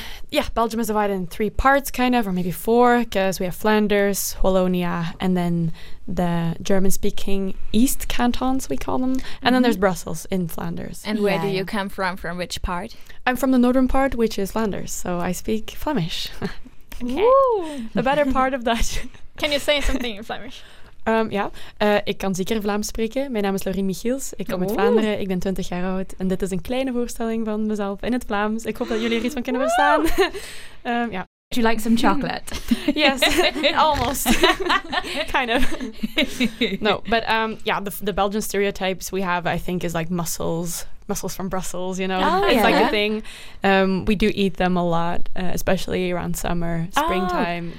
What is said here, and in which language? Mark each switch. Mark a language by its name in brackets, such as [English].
[English] Yeah, Belgium is divided in three parts, kind of, or maybe four, because we have Flanders, Wallonia, and then the German-speaking East Cantons, we call them. And then there's Brussels in Flanders. And where do you come from? From which part? I'm from the northern part, which is Flanders, so I speak Flemish. Okay. Woo! The better part of that. Can you say something in Flemish? [Dutch] Ik kan zeker Vlaams spreken. Mijn naam is Laurine Michiels. Ik kom uit Vlaanderen. Ik ben 20 jaar oud. En dit is een kleine voorstelling van mezelf in het Vlaams. Ik hoop dat jullie er iets van kunnen verstaan. [English] Do you like some chocolate? Yes, almost. Kind of. No, but the Belgian stereotypes we have, I think, is like mussels from Brussels, you know? Oh, it's like a thing. We do eat them a lot, especially around summer, springtime. Oh.